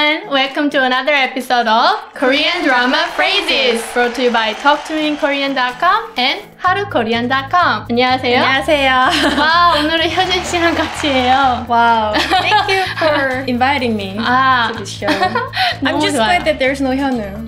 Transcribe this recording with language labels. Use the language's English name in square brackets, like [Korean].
[English] Welcome to another episode of Korean Drama Phrases, brought to you by TalkToMeInKorean.com and HaruKorean.com. [Korean] 안녕하세요. 안녕하세요. 와, 오늘은 효진 씨랑 같이 해요. [English] Wow. Thank you for inviting me to this show. I'm just [Korean] 좋아요. [English] Glad that there's no 현우.